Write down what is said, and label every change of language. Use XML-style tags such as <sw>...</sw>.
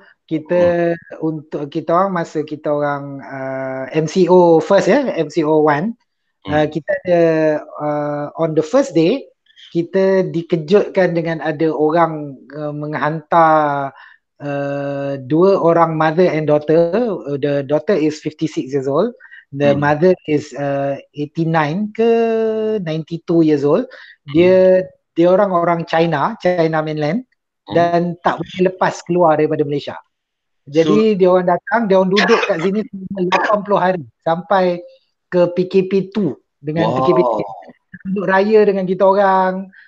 <ms>kita untuk kita orang, masa kita orang MCO first ya, MCO 1, kita ada</ms> <en>on the first day</en> <ms>kita dikejutkan dengan ada orang menghantar dua orang</ms> <en>mother and daughter. The daughter is 56 years old, the mother is 89 ke 92 years old.</en> <ms>Dia orang-orang China mainland, dan tak boleh lepas keluar daripada Malaysia. Jadi dia orang datang, dia orang duduk kat sini 80 hari sampai ke PKP 2 dengan PKP 3. Duduk raya dengan kita orang.</ms>